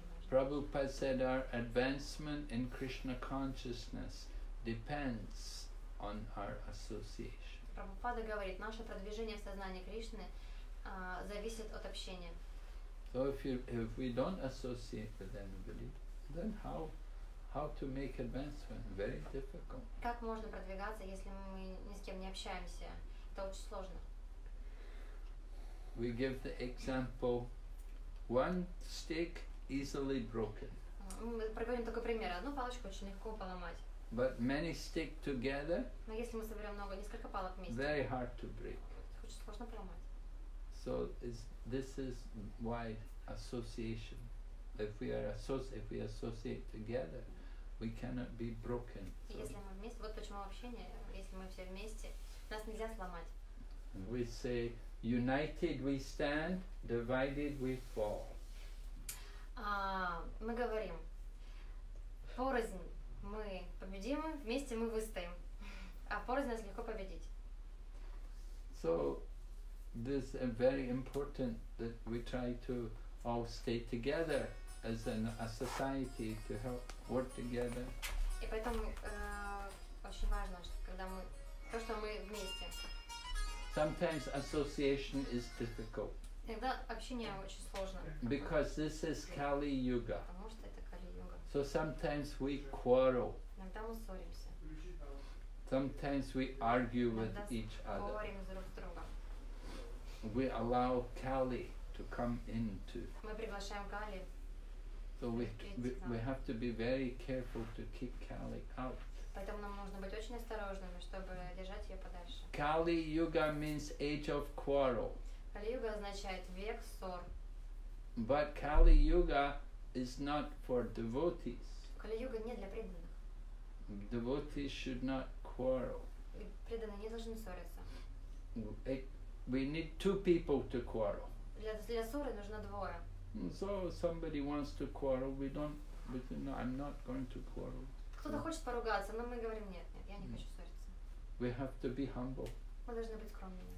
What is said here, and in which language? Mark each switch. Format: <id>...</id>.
<en>Prabhupada said our advancement in Krishna consciousness depends on our association.</en> <ru>Prabhupada говорит, наше продвижение в сознании Кришны зависит от общения.</ru> <en>So if we don't associate with anybody, then how to make advancement? Very difficult.</en> <ru>Как можно продвигаться, если мы ни с кем не общаемся? Это очень сложно.</ru> <en>We give the example, one stick easily broken.</en> <ru>Мы проговорим такой пример. Одну палочку очень легко поломать.</ru> <en>But many stick together.</en> <ru>Но если мы соберем много, несколько палок вместе.</ru> <en>Very hard to break.</en> <ru>Очень сложно поломать.</ru> <en>So this is why association. If we associate together, we cannot be broken.</en> <ru>Если мы вместе, вот почему общение. Если мы все вместе, нас нельзя сломать.</ru> <en>We say, united we stand, divided we fall.</en> <ru>Мы говорим, порознь мы победим, вместе мы выстоим, а порознь нас легко победить.</ru> <en>So, this is very important that we try to all stay together as a society to help work together.</en> <ru>И поэтому очень важно, что когда мы, то, что мы вместе.</ru> <en>Sometimes association is difficult.</en> <ru>Иногда общение очень сложно.</ru> <en>Because this is Kali Yuga.</en> <ru>Потому что это Кали-юга.</ru> <en>So sometimes we quarrel.</en> <ru>Иногда мы ссоримся.</ru> <en>Sometimes we argue with each other.</en> <ru>Иногда спорим друг с другом.</ru> <en>We allow Kali to come into.</en> <ru>Мы приглашаем Кали.</ru> <en>So we have to be very careful to keep Kali out.</en> <ru>Поэтому нам нужно быть очень осторожными, чтобы держать ее подальше.</ru> <en>Kali Yuga means age of quarrel.</en> <ru>Кали-юга означает век ссор.</ru> <en>But Kali-yuga is not for devotees.</en> <ru>Кали-юга не для преданных.</ru> <en>Devotees should not quarrel.</en> <ru>Преданные не должны ссориться.</ru> <en>We need two people to quarrel.</en> <ru>Для ссоры нужно двое.</ru> <en>So somebody wants to quarrel, I'm not going to quarrel.</en> <ru>Кто-то хочет поругаться, но мы говорим нет, я не хочу ссориться.</ru> <en>We have to be humble.</en> <ru>Мы должны быть скромными.</ru>